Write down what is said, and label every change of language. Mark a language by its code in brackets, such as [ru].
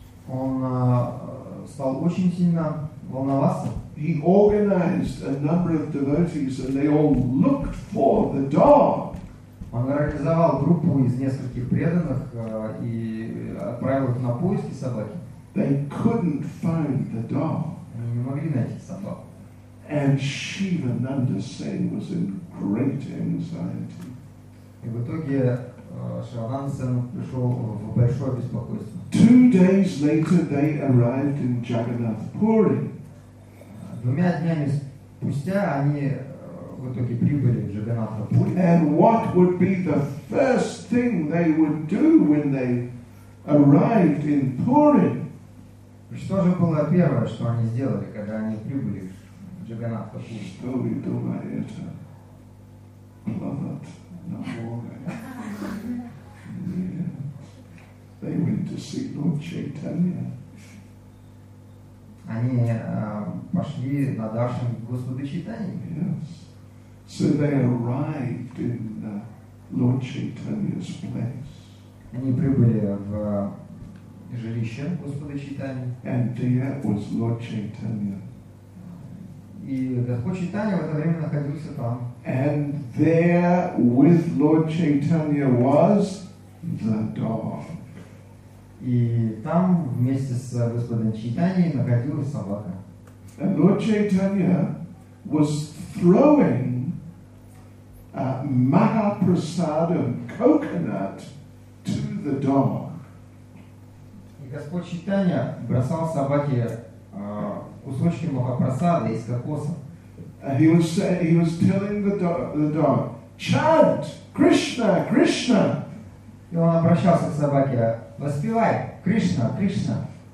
[ru] Он стал очень сильно волноваться. [en] He organized a number of devotees and they all looked for the dog. [ru] Он организовал группу из нескольких преданных и отправил их на поиски собаки. [en] They couldn't find the dog. [ru] Они не могли найти собаку. [en] And Shivananda Sen was in great anxiety. [ru] И в итоге Шивананда Сен пришел в большое беспокойство. [en] 2 days later they arrived in Jagannath Puri. [ru] Двумя днями спустя они в итоге прибыли в Джаганнатха Пури. [en] And what would be the first thing they would do when they arrived in Puri? [ru] Что же было первое, что они сделали, когда они прибыли в Джаганнатха Пури? Что вы думаете? Плавать на море? [en] They went to see Lord Chaitanya. [ru] Они пошли на даршан Господа Чайтаньи. [en] Yes. So they arrived in Lord Chaitanya's place. [ru] Они прибыли в жилище Господа Чайтаньи. [en] And there was Lord Chaitanya. [ru] И Господь Чайтанья в это время находился там. [en] And there with Lord Chaitanya was the dog. [ru] И там вместе с Господом Чайтаньей находилась собака. [en] And Lord Chaitanya was throwing Mahaprasadam coconut to the dog. [ru] И Господь Чайтанья бросал собаке кусочки Махапрасада из кокоса. [en] He was telling the dog, chant Krishna, Krishna. [ru] И он обращался к собаке, воспевай, Кришна, Кришна.